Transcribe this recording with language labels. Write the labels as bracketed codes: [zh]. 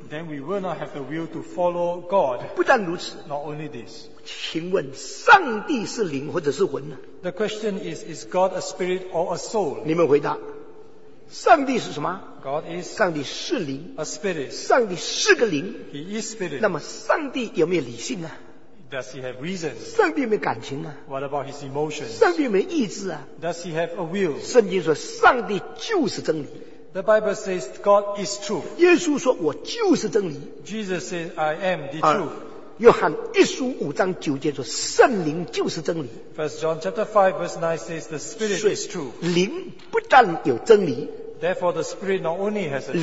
[en] Then we will not have the will to follow God. [zh] 不但如此, [en] not only this, [zh] 请问上帝是灵或者是魂呢? [en] The question is God a spirit or a soul? [zh] 你们回答, 上帝是什么? [en] God is [zh] 上帝是灵, [en] a spirit. [zh] 上帝是个灵, [en] He is spirit. [zh] 那么上帝有没有理性啊? [en] Does he have reason? [zh] 上帝有没有感情啊? [en] What about his emotions? [zh] 上帝有没有意志啊? [en] Does he have a will? [zh] 圣经说上帝就是真理。 [en] The Bible says God is truth. [zh] 耶稣说我就是真理。 [en] Jesus says I am the truth. [zh] 约翰一书五章九节说圣灵就是真理。 [en] 1 John chapter 5 verse 9 says the spirit is true. [zh] 灵不但有真理, [en] therefore the spirit not only has a truth,